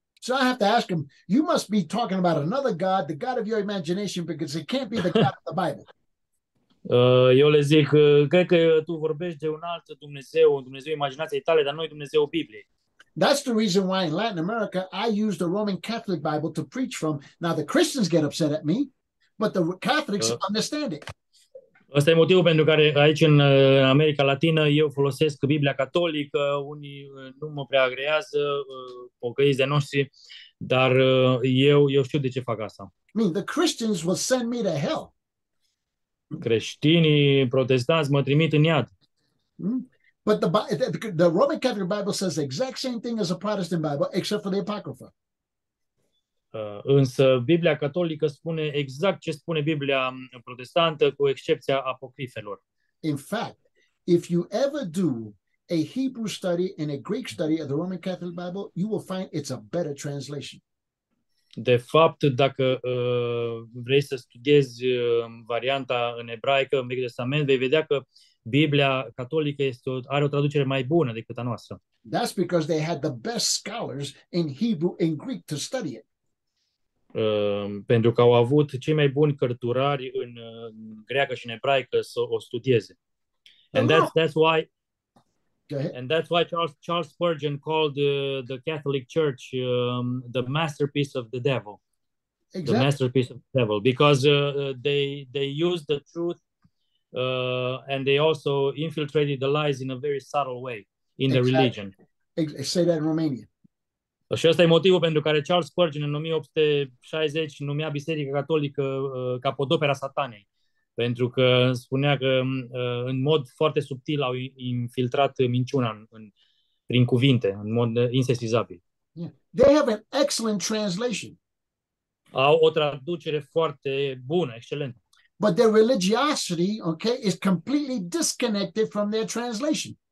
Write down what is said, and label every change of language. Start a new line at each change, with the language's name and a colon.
English: So I have to ask him, you must be talking about another God, the God of your imagination, because it can't be the God of the Bible.
Romanian: Eu le zic, cred că tu vorbești de un alt Dumnezeu, un Dumnezeu imaginației tale, dar nu e Dumnezeul Bibliei.
English: That's the reason why in Latin America I use the Roman Catholic Bible to preach from. Now the Christians get upset at me, but the Catholics understand it.
Romanian: Ăsta e motivul pentru care aici în America Latină eu folosesc Biblia Catolică, unii nu mă prea agrează, pocăiți de noștri, dar eu știu de ce fac asta.
English: I mean, the Christians will send me to hell.
Romanian: Creștinii protestanți mă trimit în iad.
English: But the Roman Catholic Bible says the exact same thing as the Protestant Bible, except for the Apocrypha.
Romanian: Însă Biblia Catolică spune exact ce spune Biblia protestantă, cu excepția apocrifelor.
English: In fact, if you ever do a Hebrew study and a Greek study of the Roman Catholic Bible, you will find it's a better translation.
Romanian: De fapt, dacă vrei să studiezi varianta în ebraică, în Vechiul Testament, vei vedea că Biblia Catolică are o traducere mai bună decât a noastră.
English: That's because they had the best scholars in Hebrew and Greek to study it.
Romanian: pentru că au avut cei mai buni cărturari în greacă și în ebraică să o studieze.
English: And Hello. that's why Go ahead. and that's why Charles Spurgeon called the Catholic Church the masterpiece of the devil. The Exactly. masterpiece of the devil, because they used the truth and they also infiltrated the lies in a very subtle way in the exactly. religion. Say that in Romanian.
Romanian: Și ăsta e motivul pentru care Charles Spurgeon în 1860 numea Biserica Catolică capodopera satanei. Pentru că spunea că în mod foarte subtil au infiltrat minciuna prin cuvinte, în mod insesizabil.
English: Yeah. They have an excellent translation.
Romanian: Au o traducere foarte bună, excelentă.
English: But their religiosity, okay, is completely disconnected from their translation.